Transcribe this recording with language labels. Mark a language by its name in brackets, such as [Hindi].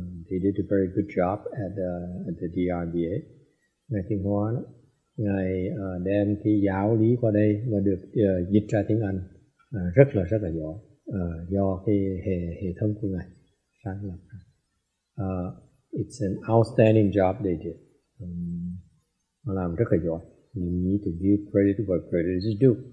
[English] They did a very good job at the DRBA. [Vietnamese] Ngài Thiên Hóa, ngài đem cái giáo lý qua đây và được dịch ra tiếng Anh. Rất là giỏi do cái hệ thống của ngài sáng lập. [English] It's an outstanding job they did. [Vietnamese] Làm rất là giỏi. [English] You need to give credit where credit is due.